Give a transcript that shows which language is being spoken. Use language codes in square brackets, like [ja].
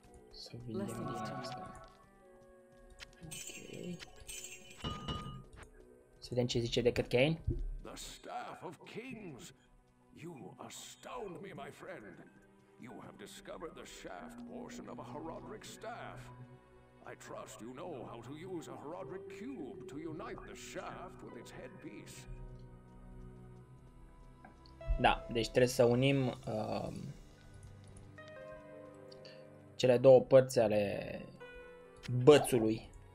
[ro] Să vindem din asta. Să vedem ce zice decât Cain. [en] The Staff of Kings! You astound me, my friend! You have discovered the shaft portion of a Herodric staff. I trust you know how to use a Herodric cube to unite the shaft with its headpiece. [ro] Da, deci trebuie să unim cele două părți ale bățului.